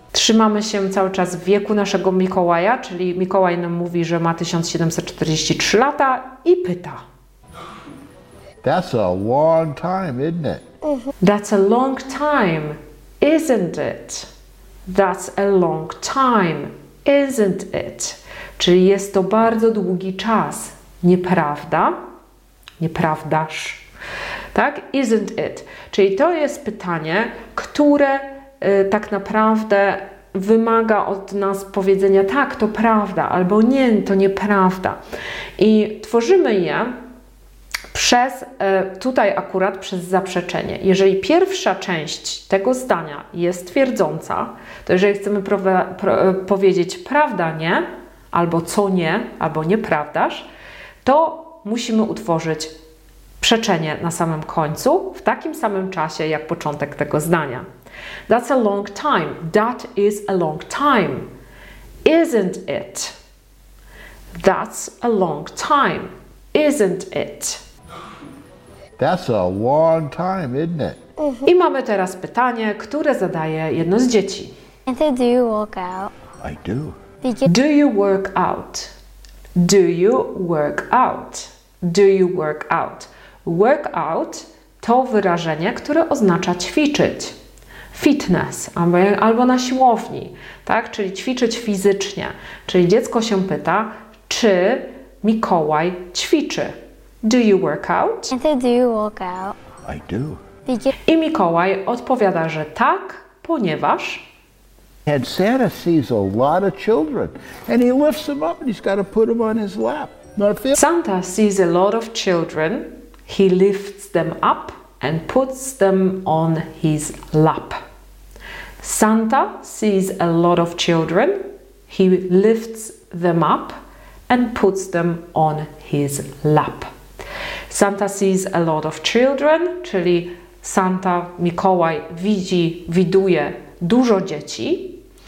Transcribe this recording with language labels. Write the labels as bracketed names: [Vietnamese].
[Polish] Trzymamy się cały czas wieku naszego Mikołaja, czyli Mikołaj nam mówi, że ma 1743 lata i pyta. [English] That's a long time, isn't it? That's a long time, isn't it? That's a long time, isn't it? [Polish] Czyli jest to bardzo długi czas, nieprawda? Nieprawdaż. Tak? [English] Isn't it? [Polish] Czyli to jest pytanie, które tak naprawdę wymaga od nas powiedzenia tak, to prawda, albo nie, to nieprawda. I tworzymy je przez, tutaj akurat przez zaprzeczenie. Jeżeli pierwsza część tego zdania jest twierdząca, to jeżeli chcemy powiedzieć prawda nie, albo co nie, albo nieprawdaż, to musimy utworzyć przeczenie na samym końcu, w takim samym czasie jak początek tego zdania. [English] That's a long time. That is a long time. Isn't it? That's a long time. Isn't it? That's a long time, isn't it? [Polish] I mamy teraz pytanie, które zadaje jedno z dzieci. [English] Do you work out? I do. Do you work out? Do you work out? Do you work out? Work out [Polish] to wyrażenie, które oznacza ćwiczyć. Fitness albo na siłowni, tak? Czyli ćwiczyć fizycznie. Czyli dziecko się pyta, czy Mikołaj ćwiczy. [English] Do you work out? Do you work out? I do. [Polish] I Mikołaj odpowiada, że tak, ponieważ [English] and Santa sees a lot of children and he lifts them up and he's got to put them on his lap. Santa sees a lot of children. He lifts them up and puts them on his lap. Santa sees a lot of children. He lifts them up and puts them on his lap. Santa sees a lot of children, [Polish] czyli Santa, Mikołaj, widuje dużo dzieci.